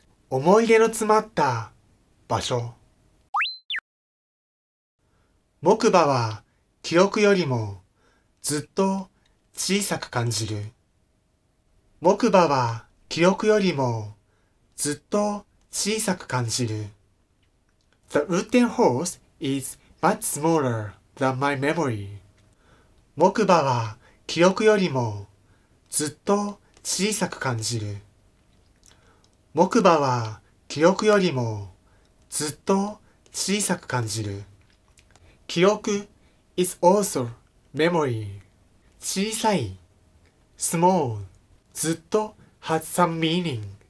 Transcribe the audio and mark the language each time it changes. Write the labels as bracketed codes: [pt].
[ja] 思い出の詰まった場所。木馬は記憶よりもずっと小さく感じる。木馬は記憶よりもずっと小さく感じる。 [en] The wooden horse is much smaller than my memory. [ja] 木馬は記憶よりもずっと小さく感じる。木馬は記憶よりもずっと小さく感じる。 [en] 記憶 is also memory. 小さい small ずっと has some meaning.